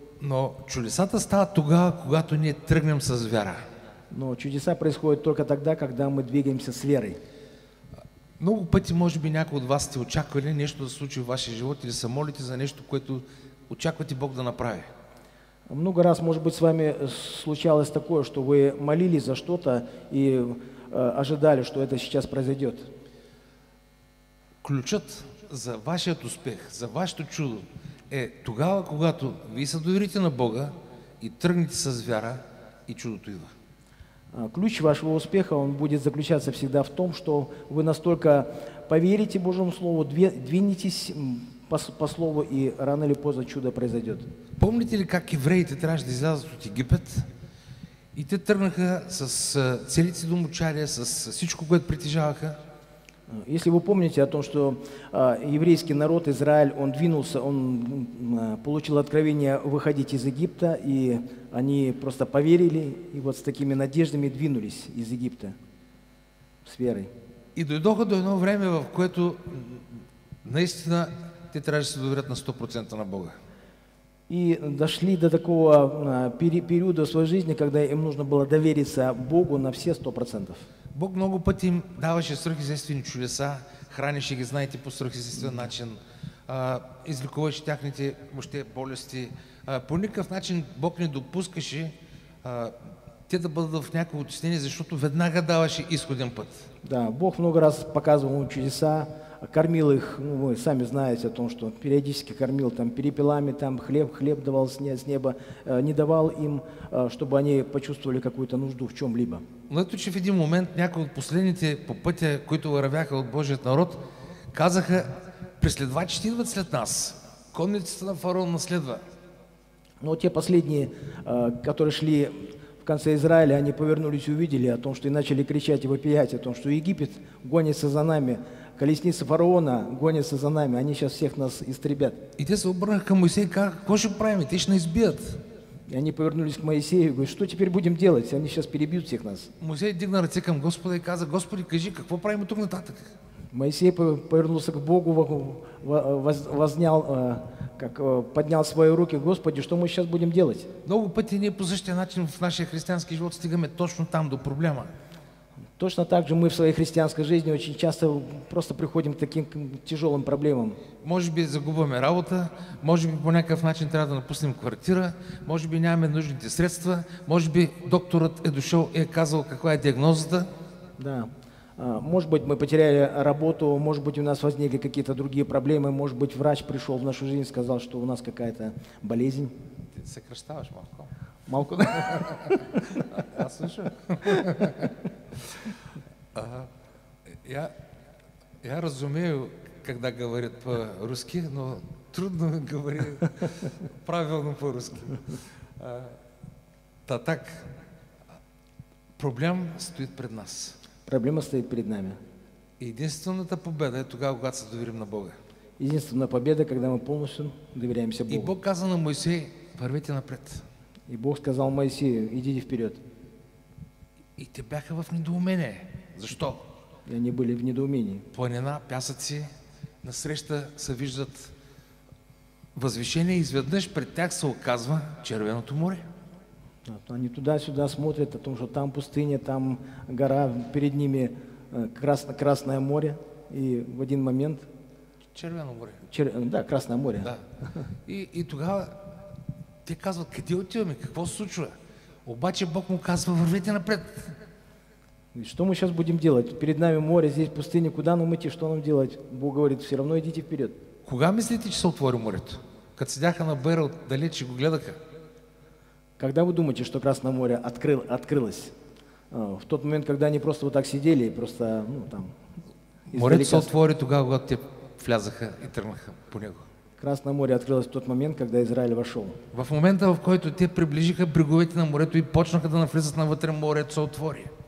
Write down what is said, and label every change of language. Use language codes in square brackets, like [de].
[bg] Но чудесата стават тогава, когато ние тръгнем с вяра. [ru] Но чудеса происходят только тогда, когда мы двигаемся с верой. [bg] Много пъти, [ru] может быть, [bg] някои от вас сте очаквали нещо да случи в вашия живот или се молите за нещо, което очаквате Бог да направи. [ru] Много раз, может быть, с вами случалось такое, что вы молились за что-то и ожидали, что это сейчас произойдет. [bg] Ключът за вашия успех, за вашето чудо е тогава, когато ви се доверите на Бога и тръгнете с вяра и чудото идва. [ru] Ключ вашего успеха, он будет заключаться всегда в том, что вы настолько поверите Божьему Слову, двинетесь по слову, и рано или поздно чудо произойдет. [bg] Помните ли, как евреите трябваше да излязат от Египет? И те тръгнаха с целите домочария, с всичко, което притежаваха. [ru] Если вы помните о том, что еврейский народ, Израиль, он двинулся, он получил откровение выходить из Египта, и они просто поверили, и вот с такими надеждами двинулись из Египта с верой. [bg] И дойдоха до едно време, в което наистина те трябваше да се доверят на 100% на Бога. [ru] И дошли до такого периода в своей жизни, когда им нужно было довериться Богу на все 100%. [bg] Бог много пъти им даваше сверхъестествени чудеса, хранеше ги, знаете, по сверхъестествен начин, излекуваше тяхните въобще болести. По никакъв начин Бог не допускаше те да бъдат в някакво отчисление, защото веднага даваше изходен път. [ru] Да, Бог много раз показвал им чудеса, кормил их, ну, вы сами знаете о том, что периодически кормил там перепелами, там хлеб давал с неба, не давал им, чтобы они почувствовали какую-то нужду в чем-либо. Но это че в один момент [bg] някои от последните по пътя, които вървяха от Божият народ, казаха, преследвачите идват след нас, конницата на фараон наследва. [ru] Но те последние, которые шли в конце Израиля, они повернулись и увидели о том, что и начали кричать и вопиять о том, что Египет гонится за нами, колесница фараона гонится за нами, они сейчас всех нас истребят. [bg] И те се обърнаха към Моисей, какво ще правим, те ще избият. [ru] И они повернулись к Моисею и говорят, что теперь будем делать, они сейчас перебьют всех нас. [bg] Моисей дигна ръце към Господа и каза, Господи, кажи, какво правим тук нататък? [ru] Моисей повернулся к Богу, поднял свои руки, Господи, что мы сейчас будем делать? [bg] Много пъти ние по същия начин в нашия християнски живот стигаме точно там, до проблема. [ru] Точно так же мы в своей христианской жизни очень часто просто приходим к таким тяжелым проблемам. [bg] Может быть, загубаме работа, [ru] может быть, [bg] по някакъв начин трябва да напуснем квартира, может быть, нямаме нужните средства, может быть, докторът е дошел и е казал каква е диагнозата. [ru] Да, может быть, мы потеряли работу, может быть, у нас возникли какие-то другие проблемы, может быть, врач пришел в нашу жизнь и сказал, что у нас какая-то болезнь. Ты сокращаешь малко. [bg] Малко? [ru] Я слышу. Я разумею, когда говорят по-русски, но трудно говорить правильно по-русски. Так, проблема стоит перед нас. Проблема стоит перед нами. Единственная победа это тогда, когда мы доверим на Бога. Единственная победа, когда мы полностью доверяемся Богу. И Бог сказал на Моисея, [bg] вървите напред. [ru] И Бог сказал Моисею, идите вперед. [bg] И те бяха в недоумение. Защо? [ru] И они были в недоумении. [bg] Планина, пясъци, насреща се виждат възвишение и изведнъж пред тях се оказва Червеното море. [ru] Они туда-сюда смотрят о том, что там пустыня, там гора, перед ними Красное море. И в один момент... [bg] Червено море. [ru] Да, Красное море. Да. [bg] И тогава те казват, къде отиваме, какво се случва? Обаче Бог му казва, вървете напред. [ru] Что мы сейчас будем делать? Перед нами море, здесь пустыня, куда нам идти, что нам делать? Бог говорит, все равно идите вперед. [bg] Кога мислите, че се отвори морето? Като седяха на Берел, далече го гледаха. [ru] Когда вы думаете, что Красное море открылось? В тот момент, когда они просто вот так сидели и просто, ну, там... [bg] Морето се отвори тогава, когато те влязаха и тръгнаха по него. [ru] Красное море открылось в тот момент, когда Израиль вошел. [bg] В момента, в който те приближиха бреговете на морето и почнаха да навлизат навътре, морето се отвори.